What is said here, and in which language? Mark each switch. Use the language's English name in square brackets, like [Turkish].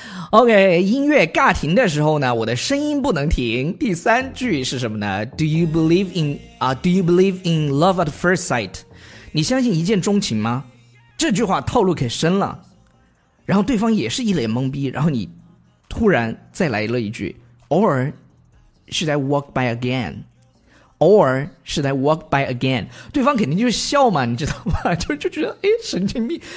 [Chinese] OK, 音乐尬停的时候呢，我的声音不能停。第三句是什么呢？ [English] Do you believe in love at first sight? [Chinese] 你相信一见钟情吗？这句话套路可深了，然后对方也是一脸懵逼，然后你突然再来了一句 [English] Or should I walk by againOr should I walk by again? [Chinese] 对方肯定就是笑嘛，你知道吗？就觉得哎，神经病。